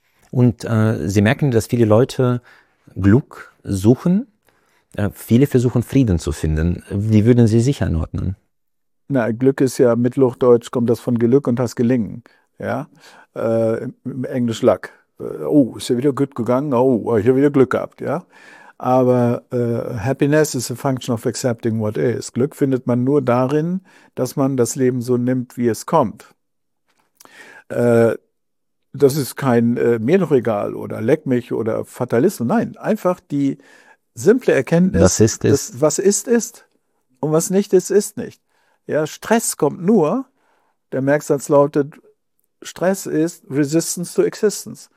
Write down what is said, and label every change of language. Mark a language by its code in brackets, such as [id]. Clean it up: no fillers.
[de] Und Sie merken, dass viele Leute Glück suchen. Viele versuchen, Frieden zu finden. Wie würden Sie sich einordnen? Na, Glück ist ja, Mittelhochdeutsch kommt das von Glück und das Gelingen. Ja, im Englisch Luck. Oh, ist ja wieder gut gegangen. Oh, ich habe wieder Glück gehabt, ja. Aber [en] Happiness is a function of accepting what is. [de] Glück findet man nur darin, dass man das Leben so nimmt, wie es kommt. Das ist kein mir doch egal oder leck mich oder Fatalismus. Nein, einfach die simple Erkenntnis, das ist, ist. Das, was ist, ist. Und was nicht ist, ist nicht. Ja, Stress kommt nur, der Merksatz lautet, Stress ist [en] resistance to existence.